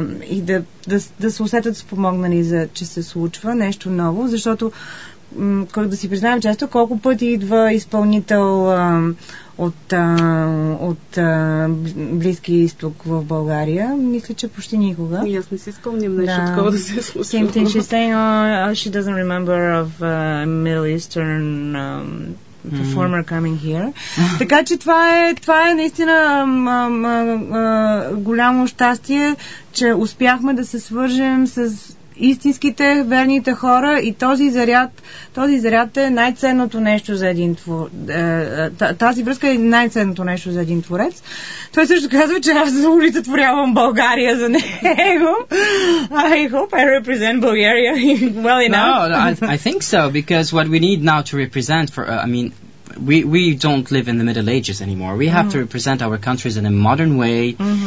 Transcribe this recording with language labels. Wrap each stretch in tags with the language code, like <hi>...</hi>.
<bg>и да се усетят спомогнали, че се случва нещо ново, защото как да си признаем често, колко пъти идва изпълнител от Близки изток в България. Мисля, че почти никога. И аз не си спомням нещо такова да се е случило.</bg> <en>Same thing. She's saying, she doesn't remember of Middle Eastern performer coming here.</en> <bg>Така че това е наистина голямо щастие, че успяхме да се свържем с истинските, верните хора и този заряд е най-ценното нещо за един творец. Тази връзка е най-ценното нещо за един творец. Той също казва, че аз олицетворявам България за него.</bg> <en>I hope I represent Bulgaria well enough. No, I think so, because what we need now to represent for, We don't live in the Middle Ages anymore. We have to represent our countries in a modern way.</en>